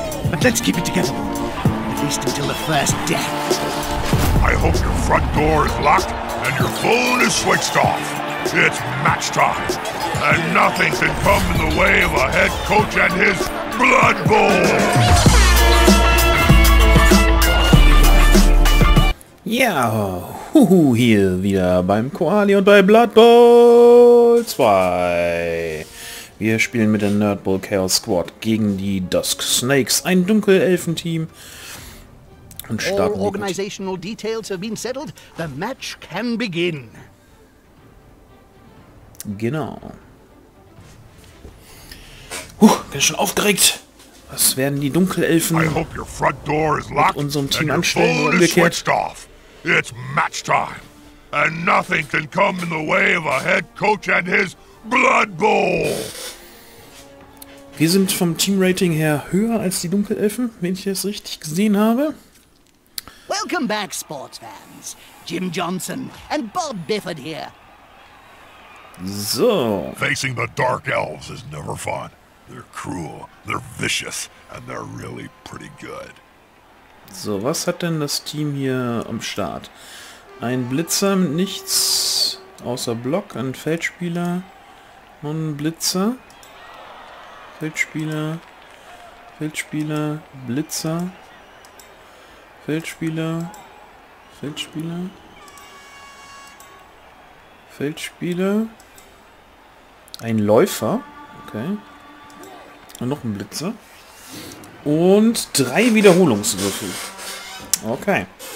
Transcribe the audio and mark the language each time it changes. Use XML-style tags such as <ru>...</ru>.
<en>But let's keep it together. At least until the first death. I hope your front door is locked and your phone is switched off. It's match time. And nothing can come in the way of a head coach and his blood bowl.</en> <de>Ja, huhu, hier wieder beim Koali und bei Blood Bowl 2. Wir spielen mit der Nerd Bowl Chaos Squad gegen die Dusk Snakes, ein Dunkelelfenteam. Und starten</de> <en>all organizational details have been settled. The match can begin.</en> <de>Genau. Huh, bin schon aufgeregt. Was werden die Dunkelelfen mit unserem Team anstellen oder umgekehrt?</de> <en>It's match time, and nothing can come in the way of a head coach and his blood bowl.</en> <de>Wir sind vom Teamrating her höher als die Dunkelelfen, wenn ich es richtig gesehen habe.</de> <en>Welcome back, sports fans. Jim Johnson and Bob Bifford here. So. Facing the dark elves is never fun. They're cruel, they're vicious, and they're really pretty good.</en> <de>So, was hat denn das Team hier am Start? Ein Blitzer mit nichts außer Block, ein Feldspieler und ein Blitzer. Feldspieler, Feldspieler, Blitzer, Feldspieler, Feldspieler, Feldspieler, ein Läufer, okay, und noch ein Blitzer und drei Wiederholungswürfel. Okay.</de>